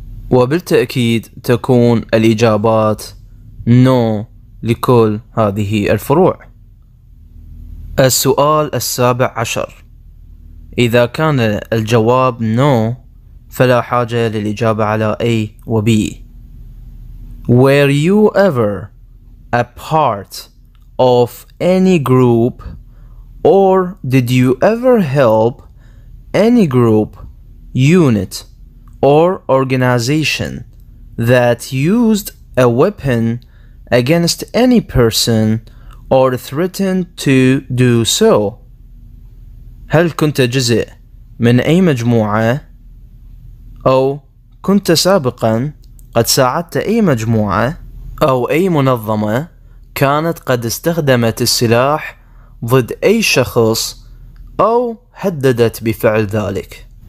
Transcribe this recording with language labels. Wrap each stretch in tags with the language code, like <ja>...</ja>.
<ar>وبالتأكيد تكون الإجابات no لكل هذه الفروع. السؤال السابع عشر: إذا كان الجواب no فلا حاجة للإجابة على A و B.</ar> <en>Were you ever a part of any group or did you ever help any group, unit or organization that used a weapon against any person or threatened to do so?</en> <ar>هل كنت جزء من أي مجموعة؟ أو كنت سابقا قد ساعدت أي مجموعة أو أي منظمة كانت قد استخدمت السلاح ضد أي شخص أو هددت بفعل ذلك؟</ar>